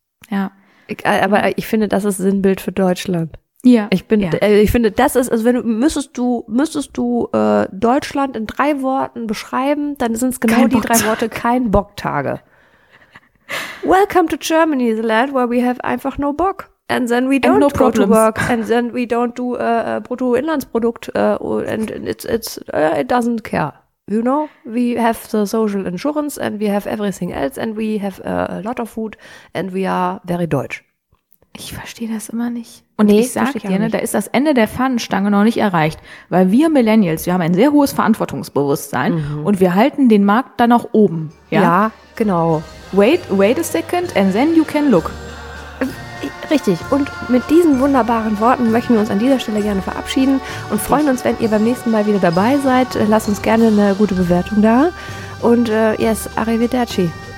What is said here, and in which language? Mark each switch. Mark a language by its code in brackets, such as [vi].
[de] Ja. Aber ich finde, das ist Sinnbild für Deutschland. Ja. Wenn du Deutschland in drei Worten beschreiben, dann sind es genau die drei Worte Kein-Bock-Tage. [en] Welcome to Germany, the land where we have einfach no Bock. And then we don't go to work. And then we don't do Bruttoinlandsprodukt. It doesn't care. You know, we have the social insurance and we have everything else and we have a lot of food and we are very deutsch. [de] Ich verstehe das immer nicht. Und nee, ich sage dir, da ist das Ende der Fahnenstange noch nicht erreicht, weil wir Millennials, wir haben ein sehr hohes Verantwortungsbewusstsein und wir halten den Markt dann noch oben. Ja, genau. [en] Wait a second and then you can look. [de] Richtig. Und mit diesen wunderbaren Worten möchten wir uns an dieser Stelle gerne verabschieden und freuen uns, wenn ihr beim nächsten Mal wieder dabei seid. Lasst uns gerne eine gute Bewertung da. Und yes, arrivederci.